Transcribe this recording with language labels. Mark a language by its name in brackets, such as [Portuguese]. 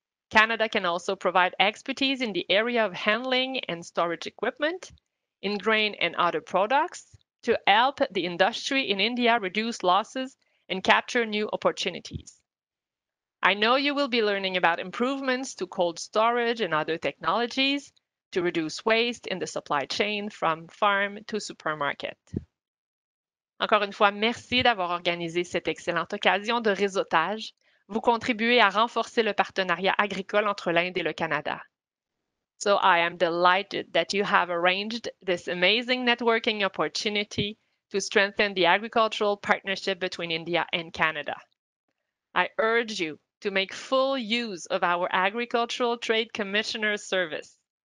[English] Canada can also provide expertise in the area of handling and storage equipment in grain and other products to help the industry in India reduce losses and capture new opportunities. I know you will be learning about improvements to cold storage and other technologies to reduce waste in the supply chain from farm to supermarket. [French] Encore une fois, merci d'avoir organisé cette excellente occasion de réseautage. Vous contribuez à renforcer le partenariat agricole entre l'Inde et le Canada. [English] So I am delighted that you have arranged this amazing networking opportunity to strengthen the agricultural partnership between India and Canada. I urge you to make full use of our Agricultural Trade Commissioner service.